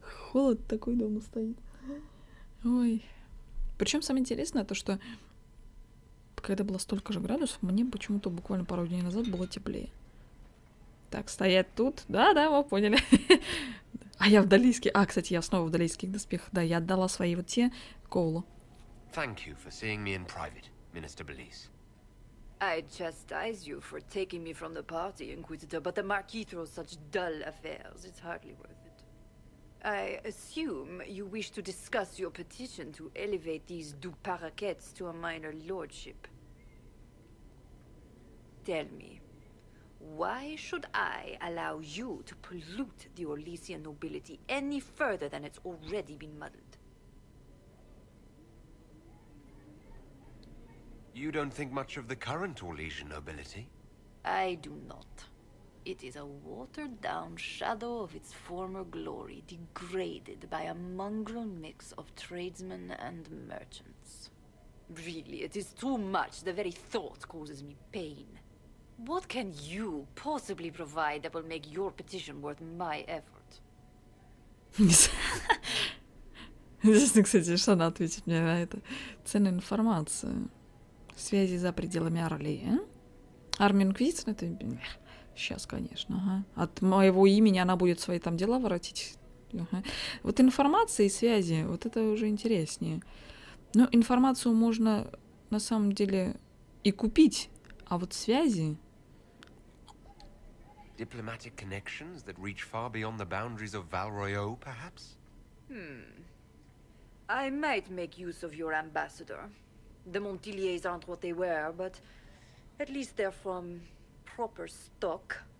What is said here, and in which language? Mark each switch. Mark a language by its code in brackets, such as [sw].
[ru] Холод такой дома стоит. Ой. Причем самое интересное то, что когда было столько же градусов, мне почему-то буквально пару дней назад было теплее. Так, стоять тут. Да-да, вы поняли. А я в далийских... А, кстати, я снова в далийских доспехах. Да, я отдала свои вот те Коулу. [en] Thank you for seeing me in private, Minister Belize. I chastise you for taking me from the party, Inquisitor, but the Marquis throws such dull affairs, it's hardly worth it. I assume you wish to discuss your petition to elevate these Duke Paraquets to a minor lordship. Tell me, why should I allow you to pollute the Orlesian nobility any further than it's already been muddled? You don't think much of the current Orlesian nobility? I do not. It is a watered-down shadow of its former glory, degraded by a mongrel mix of tradesmen and merchants. Really, it is too much. The very thought causes me pain. What can you possibly provide that will make your petition worth my effort? [ru] Здесь, кстати, что она ответит мне на это? Ценная информация. Связи за пределами Орли, а? Армия Инквизиции, это... Сейчас, конечно, ага. От моего имени она будет свои там дела воротить. Ага. Вот информация и связи, вот это уже интереснее. Ну, информацию можно, на самом деле, и купить, а вот связи... [en] Diplomatic connections that reach far beyond the boundaries of Valroyo, perhaps? Hmm. I might make use of your ambassador. The Montilliers aren't what they were, but at least they're from proper stock.